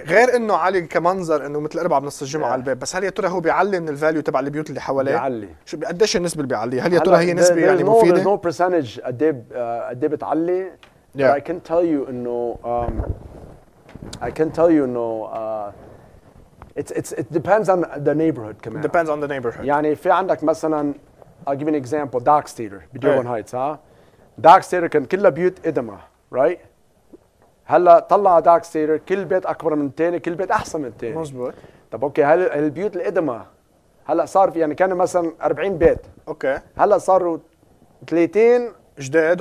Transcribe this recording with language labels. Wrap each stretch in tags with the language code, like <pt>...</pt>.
<ar>غير انه علي كمنظر انه مثل اربعه بنص الجمعه على البيت بس هل يا ترى هو بيعلي من الفاليو تبع البيوت اللي حواليه بيعلي شو قديش النسبه اللي بيعلي هل يا ترى هي نسبه يعني مفيده نو برسنتج قد ايه بتعلي Yeah.</ar> <en>But I can tell you, you know, I can tell you, you know, it depends on the neighborhood.</en> <ar>كمان.</ar> <en>Depends on the neighborhood.</en> <ar>يعني في عندك مثلاً,</ar> <en>I'll give you an example. Docks Theater, Bedouin Heights, huh?</en> <ar>Docks Theater كان كله بيوت إدمة, right? هلا طلع Docks Theater كل بيت أكبر من التاني, كل بيت أحسن من التاني. مزبوط. طب أوكي, هل البيوت الإدمة هلا صار في, يعني كان مثلاً 40 بيت. أوكي. هلا صاروا 30 جديد</ar>